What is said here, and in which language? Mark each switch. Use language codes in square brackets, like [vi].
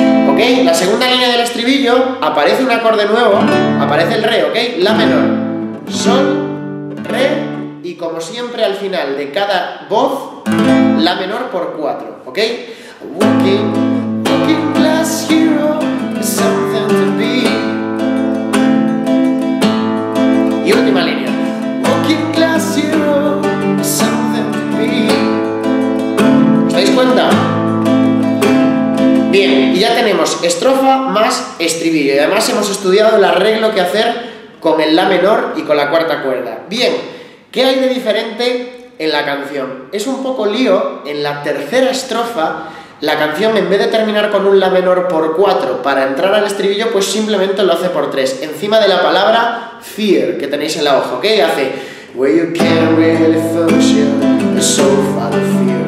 [es] ¿Ok? La segunda línea del estribillo aparece un acorde nuevo, aparece el re, ¿ok? La menor, sol, re y como siempre al final de cada voz, la menor por 4, ¿ok? [en] Working, working class hero, something to be. [es] Y última línea. [en] Working class hero, something to be. [es] ¿Os dais cuenta? Bien, y ya tenemos estrofa más estribillo. Y además hemos estudiado el arreglo que hacer con el la menor y con la cuarta cuerda. Bien, ¿qué hay de diferente en la canción? Es un poco lío, en la tercera estrofa, la canción en vez de terminar con un la menor por 4 para entrar al estribillo, pues simplemente lo hace por 3, encima de la palabra fear que tenéis en la hoja, ¿ok? [en] Hace where you can't really function, so far fear.